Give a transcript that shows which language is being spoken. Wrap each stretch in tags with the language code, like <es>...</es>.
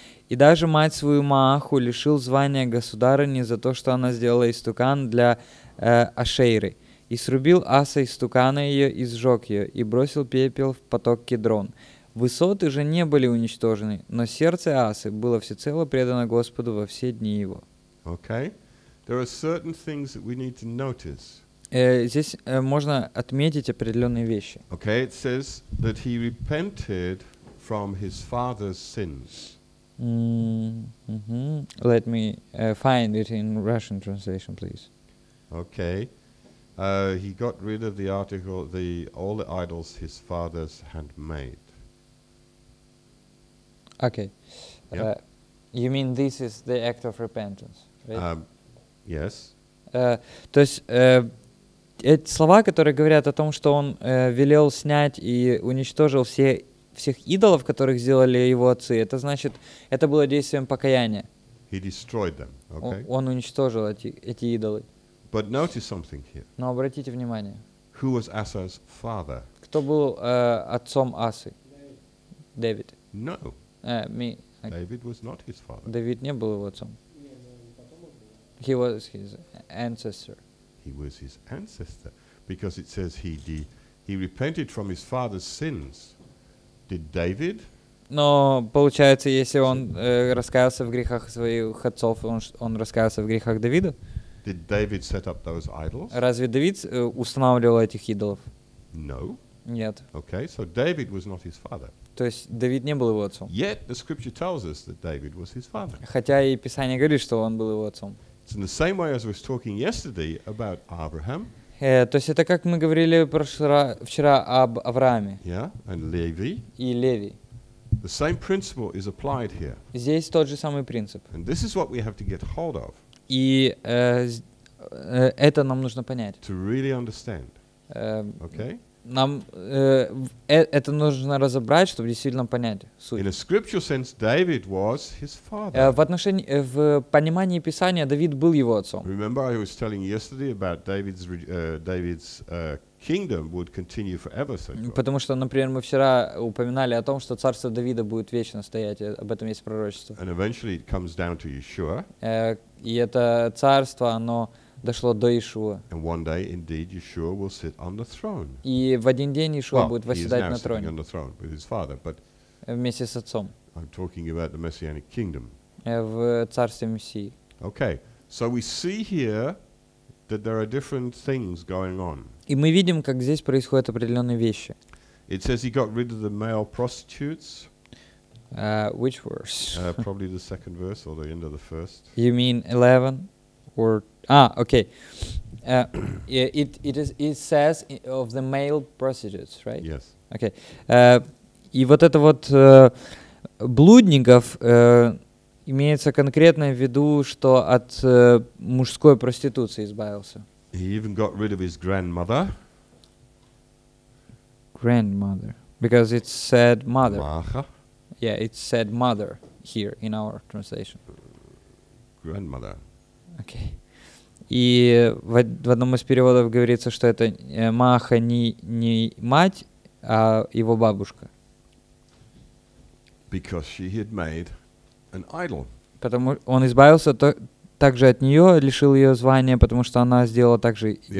<ru>И даже мать свою Мааху лишил звания государыни за то, что она сделала истукан для Ашейры. И срубил Аса истукана ее, и сжег ее, и бросил пепел в поток Кедрон. Высоты же не были уничтожены, но сердце Асы было всецело предано Господу во все дни его.</ru> <en>Okay. There are certain things that we need to notice.</en> <ru>Здесь можно отметить определенные вещи.</ru> <en>Okay, it says that he repented from his father's sins. Mm-hmm. Let me find it in Russian translation, please. Okay. He got rid of the article, the all the idols his fathers had made. Okay. Yep. You mean this is the act of repentance, right? Yes.</en> <ru>То есть эти слова, которые говорят о том, что он велел снять и уничтожил всех идолов, которых сделали его отцы, это значит, это было действием покаяния.</ru> <en>He destroyed them, okay?</en> <ru>Он уничтожил эти идолы.</ru> <en>But notice something here.</en> <ru>Но обратите внимание.</ru> <en>Who was Asa's father?</en> <ru>Кто был отцом Асы? Дэвид.</ru> <en>No. Me. David was not his father.</en> <ru>Дэвид не был его отцом.</ru> <en>He was his ancestor. He was his ancestor, because it says he repented from his father's sins. Did David?</en> <ru>Но получается, если он раскаялся в грехах своих отцов, он раскаялся в грехах Давида?</ru> <en>Did David set up those idols?</en> <ru>Разве Давид устанавливал этих идолов?</ru> <en>No.</en> <ru>Нет.</ru> <en>Okay, so David was not his father.</en> <ru>То есть Давид не был его отцом.</ru> <en>Yet the scripture tells us that David was his father.</en> <ru>Хотя и Писание говорит, что он был его отцом.</ru> <en>It's in the same way as we were talking yesterday about Abraham.</en> <ru>То есть это как мы говорили вчера об Аврааме.</ru> <en>Yeah, and Levi.</en> <ru>И Леви.</ru> <en>The same principle is applied here.</en> <ru>Здесь тот же самый принцип.</ru> <en>And this is what we have to get hold of.</en> <ru>И это нам нужно понять.</ru> <en>To really understand. Okay.</en> <ru>Нам это нужно разобрать, чтобы действительно понять суть.</ru> <en>In a scriptural sense, David was his father.</en> <ru>В понимании Писания Давид был его отцом.</ru> <en>Remember, I was telling yesterday about David's kingdom would continue forever. So</en> <ru>потому что, например, мы вчера упоминали о том, что царство Давида будет вечно стоять. Об этом есть пророчество.</ru> <en>And eventually, it comes down to Yeshua.</en> <ru>И это царство, оно дошло до Иешуа.</ru> <en>And one day, indeed, Yeshua will sit on the throne.</en> <ru>И в один день Иешуа будет восседать на троне.</ru> <en>Well, he is now sitting on the throne with his father, but</en> <ru>вместе с отцом.</ru> <en>I'm talking about the Messianic kingdom.</en> <ru>В царстве Мессии.</ru> <en>Okay, so we see here that there are different things going on.</en> <ru>И мы видим, как здесь происходят определенные вещи.</ru> <en>It says he got rid of the male prostitutes. Which verse? Probably the second verse or the end of the first. You mean 11 or okay. It says of the male prostitutes, right? Yes. Okay.</en> <ru>И вот это вот блудников имеется конкретно в виду, что от мужской проституции избавился.</ru> <en>He even got rid of his grandmother. Grandmother, because it said mother.</en> <ru>Маха.</ru> <en>Yeah, it said mother here in our translation. Grandmother. Okay.</en> <ru>И в одном из переводов говорится, что это Мааха не мать, а его бабушка.</ru> <en>Because she had made an idol.</en> <ru>Потому он избавился также от нее, лишил ее звания, потому что она сделала также</ru>